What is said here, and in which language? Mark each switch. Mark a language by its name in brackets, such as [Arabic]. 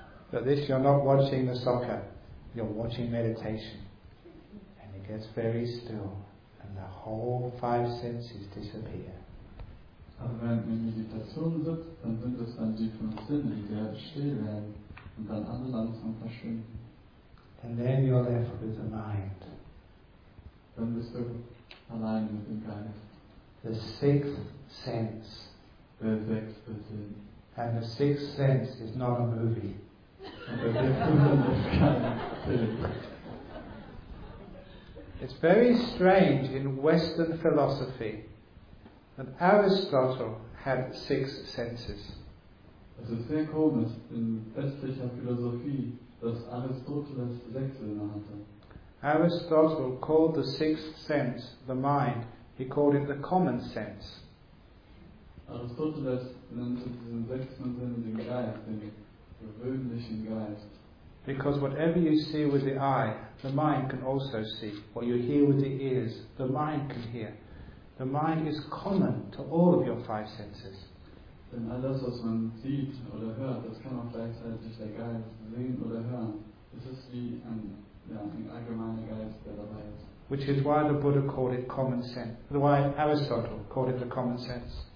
[English] But this, you're not watching the soccer. You're watching meditation. Gets very still and the whole five senses disappear. [German] Aber wenn man in Meditation sitzt, dann sind es dann die fünf Sinne, die sehr still werden und dann alle langsam verschwinden. [English] And then you're left with the mind. [German] Dann bist du allein mit dem Geist. [English] The sixth sense. [German] Der sechste Sinn. [English] And the sixth sense is not a movie. [German] Und der sechste Sinn ist kein Film. [English] It's very strange in Western philosophy that Aristotle had six senses. [German] Es ist sehr komisch in westlicher Philosophie, dass Aristoteles sechs Sinne hatte. [English] Aristotle called the sixth sense the mind. He called it the common sense. [German] Aristoteles nannte diesen sechsten Sinn den Geist, den gewöhnlichen Geist. [English] Because whatever you see with the eye, the mind can also see. What you hear with the ears, the mind can hear. The mind is common to all of your five senses. [German] Denn alles, was man sieht oder hört, das kann auch gleichzeitig der Geist sehen oder hören. Es ist wie ein, ja, ein allgemeiner Geist, der dabei ist. [English] Which is why the Buddha called it common sense. Why Aristotle called it the common sense.